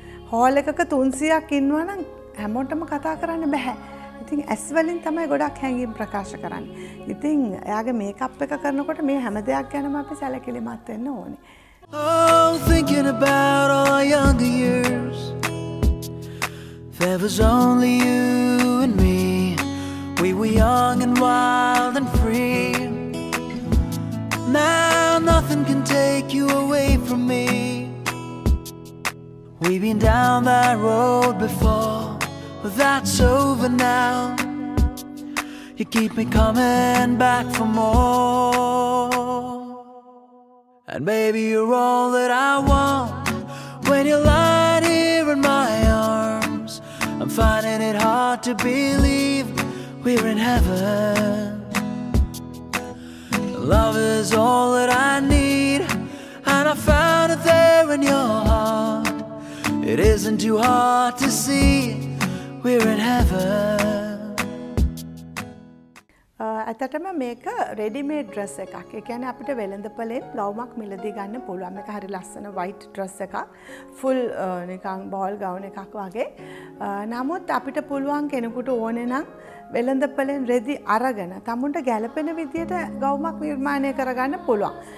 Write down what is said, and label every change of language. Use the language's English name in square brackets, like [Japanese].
[Sinhala] Hall එකක 300ක් ඉන්නවා නම් හැමෝටම කතා කරන්න බෑ. ඉතින් ඇස් වලින් තමයි ගොඩක් හැඟීම් ප්‍රකාශ කරන්නේ. ඉතින් එයාගේ මේකප් එක කරනකොට මේ හැම දෙයක් ගැනම අපි සැලකිලිමත් වෙන්න ඕනේ. [English] Oh, thinking about our younger years, there was only you and me. We were young and wild and free. Now nothing can take you away from me. We've been down that road before, but that's over now. You keep me coming back for more. And baby, you're all that I want. When you're lying here in my arms, I'm finding it hard to believe we're in heaven. Love is all that I need, and I found it there in your heart. It isn't too hard to see we're in heaven. [Sinhala] ඇත්තටම මේක ready-made dress එකක්. ඒ කියන්නේ අපිට වෙළඳපළෙන් ලවුමක් මිලදී ගන්න පුළුවන්. මේක හරි ලස්සන වයිට් ඩ්‍රෙස් එකක්. ෆුල් නිකන් බෝල් ගවුන් එකක් වගේ. නමුත් අපිට පුළුවන් කෙනෙකුට ඕනේ නම් වෙළඳපළෙන් රෙදි අරගෙන තමුන්ට ගැළපෙන විදිහට ගවුමක් නිර්මාණය කරගන්න පුළුවන්.